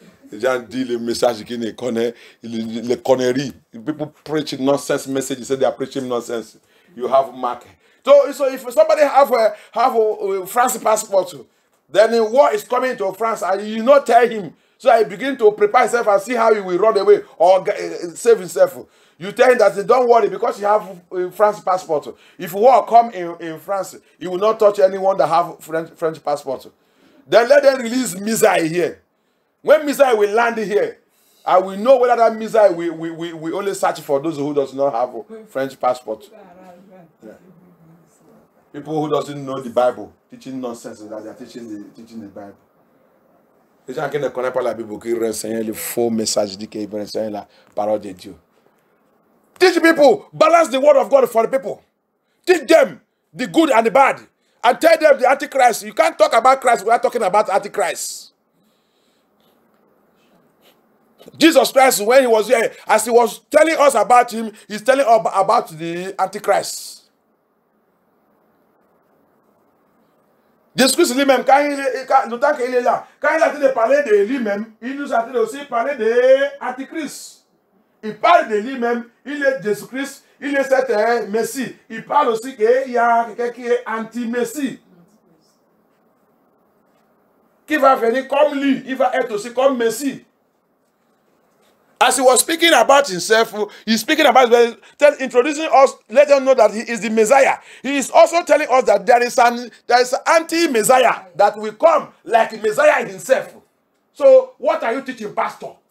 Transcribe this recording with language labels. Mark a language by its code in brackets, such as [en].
[fr] Les gens disent le message qu'il ne connaît, les conneries. [en] People preach nonsense message, [fr] ils disent [en] preach nonsense. You have mark. So if somebody have a France passport, then war is coming to France, and you not tell him. So I begin to prepare himself and see how he will run away or save himself. You tell him that don't worry because you have a France passport. If war come in France, he will not touch anyone that have French passport. Then let them release missile here. When missile will land here, I will know whether that missile we only search for those who does not have a French passport. People who doesn't know the Bible, teaching nonsense, that they are teaching the Bible. [fr] Les gens qui ne connaissent pas la Bible, qui renseignent le faux message, dit qu'ils renseignent la parole de Dieu. [en] Teach people, balance the word of God for the people. Teach them the good and the bad. And tell them the Antichrist. You can't talk about Christ, we are talking about Antichrist. Jesus Christ, when he was here, as he was telling us about him, he's telling us about the Antichrist. [fr] Jésus Christ lui-même, quand le temps qu'il est là, quand il a de parler de lui-même, il nous a dit aussi parler de Antichrist. Il parle de lui-même, il est Jésus Christ, il est cet Messie. Il parle aussi qu'il y a quelqu'un qui est anti-Messie. Qui va venir comme lui, il va être aussi comme Messie. [en] As he was speaking about himself, he's speaking about introducing us, let them know that he is the Messiah. He is also telling us that there is an anti-Messiah that will come like Messiah himself. So, what are you teaching, Pastor?